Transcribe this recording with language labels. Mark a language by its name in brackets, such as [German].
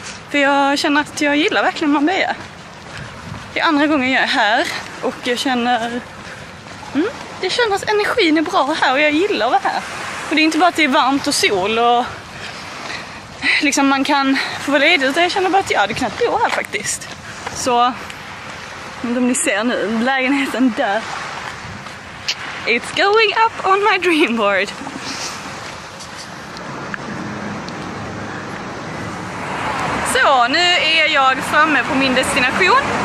[Swedish] För jag känner att jag gillar verkligen Marbella. Det är andra gången jag är här och jag känner det känns att energin är bra här och jag gillar att vara här. Och det är inte bara att det är varmt och sol och liksom man kan få vara ledig, utan jag känner bara att jag hade kunnat bo här faktiskt. Så de ni ser nu, lägenheten där. [English] It's going up on my dream board. [Swedish] Så, nu är jag framme på min destination.